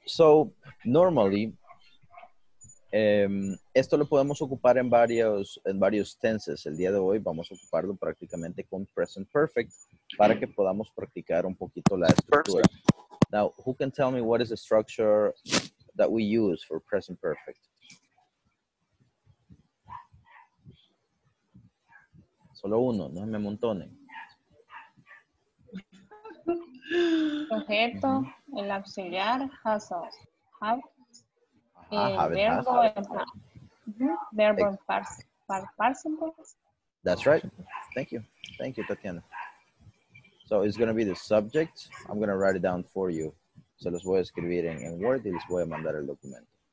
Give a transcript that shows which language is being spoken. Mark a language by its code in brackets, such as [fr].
[en] So normally, [es] esto lo podemos ocupar en varios tenses. El día de hoy vamos a ocuparlo prácticamente con present perfect para que podamos practicar un poquito la estructura. [en] Now, who can tell me what is the structure that we use for present perfect? [es] Solo uno, no me amontonen. Sujeto, el auxiliar, has a verbo en participle. [en] That's right. Thank you. Thank you, Tatiana. So it's going to be the subject. I'm going to write it down for you. [es] Se los voy a escribir en Word y les voy a mandar el documento.